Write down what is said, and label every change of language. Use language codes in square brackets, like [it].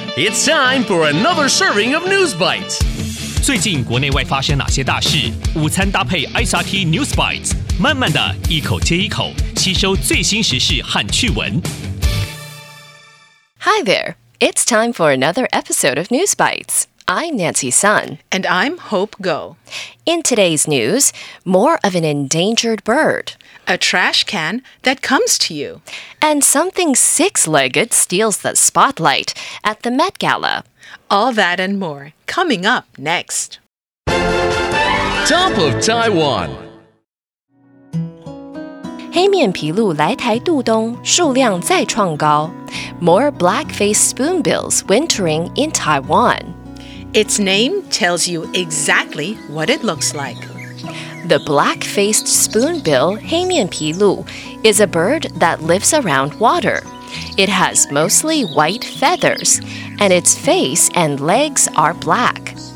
[en] It's time for another serving of News Bites. [zh] 最近国内外发生哪些大事？午餐搭配 SRT News Bites， 慢慢的一口接一口，吸收最新时事和趣闻。 [en] Hi there, it's time for another episode of News Bites. I'm Nancy Sun. And I'm Hope Ngo. In today's news, more of an endangered bird. A trash can that comes to you. And something six-legged steals the spotlight at the Met Gala. All that and more, coming up next. Top of Taiwan. [zh] 黑面琵鹭来台度冬数量再创高。 [en] More black-faced spoonbills wintering in Taiwan. Its name tells you exactly what it looks like. The black-faced spoonbill 黑面琵鹭 is a bird that lives around water. It has mostly white feathers, and its face and legs are black.